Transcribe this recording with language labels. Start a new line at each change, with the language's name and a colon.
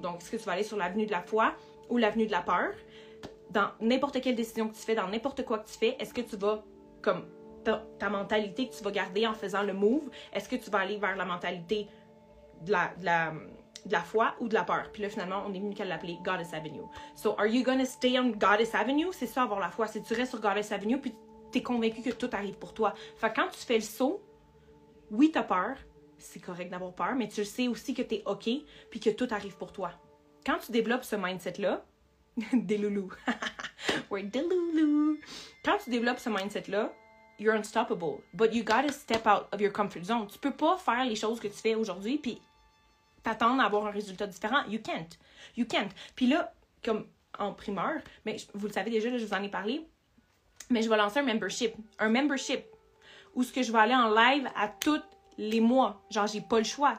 French: Donc, est-ce que tu vas aller sur l'avenue de la foi ou l'avenue de la peur? Dans n'importe quelle décision que tu fais, dans n'importe quoi que tu fais, est-ce que tu vas, comme ta mentalité que tu vas garder en faisant le move, est-ce que tu vas aller vers la mentalité de la foi ou de la peur? Puis là, finalement, on est venu qu'à l'appeler Goddess Avenue.
English: So, are you gonna stay on Goddess Avenue?
French: C'est ça, avoir la foi. C'est tu restes sur Goddess Avenue, puis t'es convaincu que tout arrive pour toi. Fait que quand tu fais le saut, oui, t'as peur. C'est correct d'avoir peur, mais tu sais aussi que t'es OK, puis que tout arrive pour toi. Quand tu développes ce mindset-là, des loulous, we're des loulous. Quand tu développes ce mindset-là,
English: you're unstoppable. But you gotta step out of your comfort zone.
French: Tu peux pas faire les choses que tu fais aujourd'hui, puis t'attendre à avoir un résultat différent.
English: You can't. You can't.
French: Puis là, comme en primeur, mais vous le savez déjà, là, je vous en ai parlé, mais je vais lancer un membership. Un membership où ce que je vais aller en live à tous les mois. Genre, j'ai pas le choix.